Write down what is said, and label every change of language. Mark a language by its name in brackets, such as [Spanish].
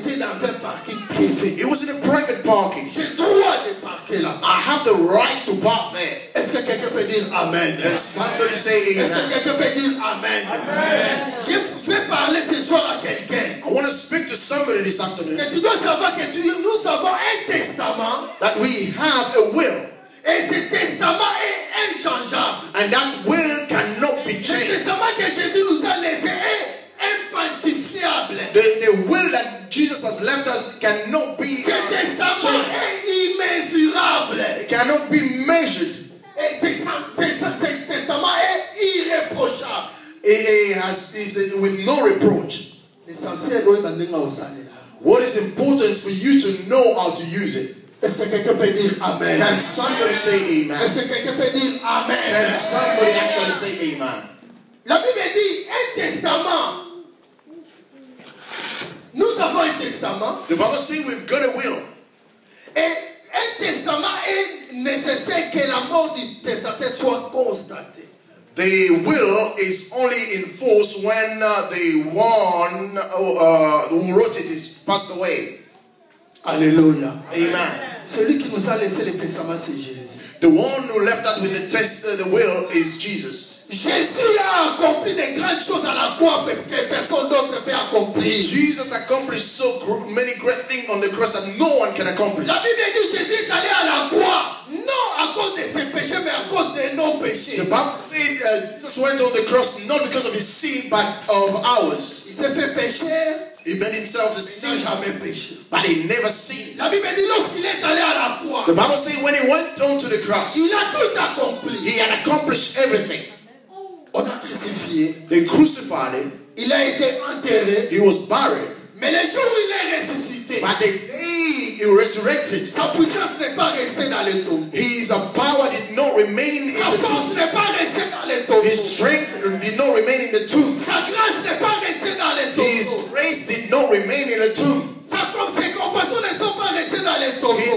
[English] It was in a private parking. [French] J'ai droit de parquer là. [English] I have the right to park there. [French] Est-ce que quelqu'un peut dire amen? [English] Can somebody say amen? [French] Est-ce que quelqu'un peut dire amen? [English] Amen. [French] Je vais parler ce soir à quelqu'un. [English] I want to speak to somebody this afternoon. [French] Que tu dois savoir que nous avons un testament. [English] That we have a will. [French] Et ce testament est inchangeable. [English] And that will cannot be changed. [French] Le testament que Jésus nous a laissé est infalsifiable. [English] The will that Jesus has left us cannot be changed. [French] Ce testament est immesurable. [English] It cannot be measured. [French] Et ce testament est irréprochable. [English] It is with no reproach. What is important for you to know how to use it? [French] Est-ce que quelqu'un peut dire amen? [English] Can somebody say amen? [French] Est-ce que quelqu'un peut dire amen? [English] Can somebody actually say amen? [French] La Bible dit un testament. Nous avons un testament. testament. [English] The Bible says with good will. [French] Et un testament est nécessaire que la mort du testateur soit constatée. [English] The will is only in force when the one who wrote it is passed away. Alléluia. Amen. [French] Celui qui nous a laissé le testament, c'est Jésus. [English] The one who left that with the test, the will, is Jesus. [French] Jésus a accompli des grandes choses à la croix que personne d'autre peut accomplir. [English] Jesus accomplished so many great things on the cross that no one can accomplish. [French] La Bible dit Jésus est allé à la croix non à cause de ses péchés mais à cause de nos péchés. [English] The Bible just went on the cross not because of his sin but of ours. [French] Il s'est fait pécher. [English] He made himself a sin, [French] jamais péché. [English] But he never sinned. [French] La Bible dit lorsqu'il est allé à la croix. [English] The Bible says when he went down to the cross, [French] il a tout accompli. [English] He had accomplished everything. [French] On crucifié. [English] They crucified him. [French] Il a été enterré. [English] He was buried. [French] Mais le jour où il est ressuscité, [English] but the day he resurrected, [French] sa puissance n'est pas restée dans le tombeau. [English] His power did not remain in [French] sa [English] the tomb. [French] Sa force n'est pas restée dans le tombeau. [English] His strength did not remain in the tomb. [French] Sa grâce n'est pas restée dans le tombeau. [English] His grace did not remain in the tomb. [French] Sa compassion ne sont pas restées dans le tombeau.